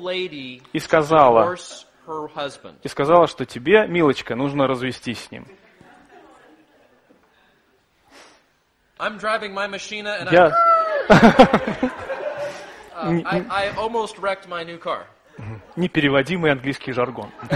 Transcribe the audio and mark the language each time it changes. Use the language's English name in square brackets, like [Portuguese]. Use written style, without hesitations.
[Russian] И сказала, что тебе, милочка, нужно развестись с ним. [English] I'm driving my machine and I almost wrecked my new car. [Russian] Непереводимый английский жаргон.